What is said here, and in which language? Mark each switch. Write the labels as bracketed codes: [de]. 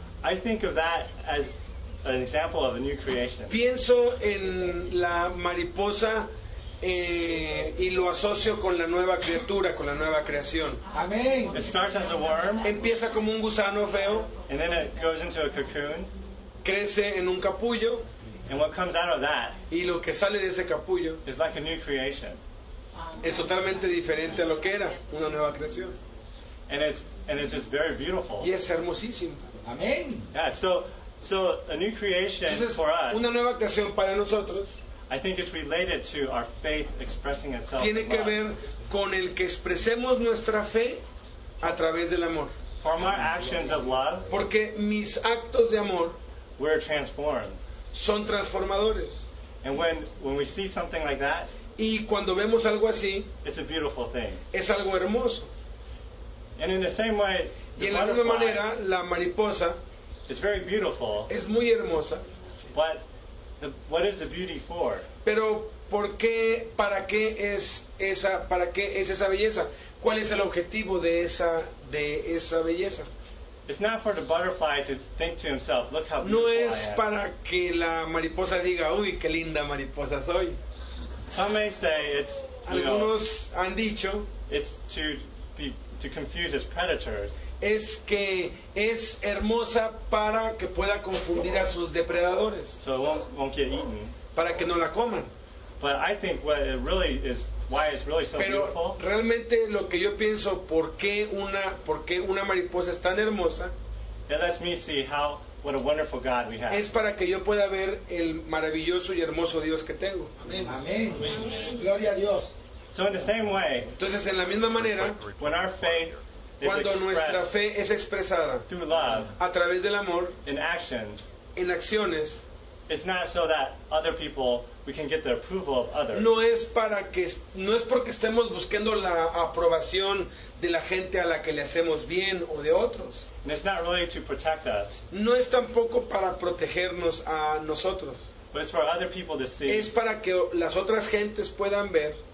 [en] I think of that as an example of a new creation. [es] Pienso en la mariposa y lo asocio con la nueva criatura, con la nueva creación. Amén. [en] It starts as a worm. [es] Empieza como un gusano feo. [en] And then it goes into a cocoon. [es] Crece en un capullo. [en] And what comes out of that. [es] Y lo que sale de ese capullo. [en] Is like a new creation. [es] Es totalmente diferente a lo que era, una nueva creación. [en] And it's just very beautiful. [es] Y es hermosísimo. Amén. [en] Yeah, so a new creation. [es] Entonces, [en] for us. [es] Una nueva creación para nosotros. [en] I think it's related to our faith expressing itself. [es] Tiene que ver con el que expresemos nuestra fe a través del amor. [en] From our actions of love. [es] Porque mis actos de amor. [en] We're transformed. [es] Son transformadores. [en] And when we see something like that. [es] Y cuando vemos algo así. [en] It's a beautiful thing. [es] Es algo hermoso. [en] And in the same way. [es] Y en la misma manera, la mariposa. [en] Is very beautiful. [es] Es muy hermosa. [en] But what is the beauty for? [es] Pero ¿por qué, para qué es esa belleza? ¿Cuál es el objetivo de esa belleza? [en] It's not for the butterfly to think to himself, look how beautiful I am. [es] No es para que la mariposa diga, uy, qué linda mariposa soy. [en] Some may say it's, [es] algunos han dicho, [en] it's to confuse his predators. [es] Es que es hermosa para que pueda confundir a sus depredadores. [en] So won't get eaten. [es] Para que no la coman. [en] But I think what it really is, why it's really so [es] Pero [en] beautiful. [es] Pero realmente lo que yo pienso, por qué una mariposa es tan hermosa. [en] It lets me see how what a wonderful God we have. [es] Es para que yo pueda ver el maravilloso y hermoso Dios que tengo. Amén. Amén. Amén. Gloria a Dios. [en] So in the same way. [es] Entonces en la misma manera, [en] when our faith [es] cuando nuestra fe es expresada [en] through love, [es] a través del amor, [en] in actions, [es] en acciones. [en] It's not so that other people we can get the approval of others. [es] No es porque estemos buscando la aprobación de la gente a la que le hacemos bien o de otros. [en] And it's not really to protect us. [es] No es tampoco para protegernos a nosotros. [en] But it's for other people to see. [es] Es para que las otras gentes puedan ver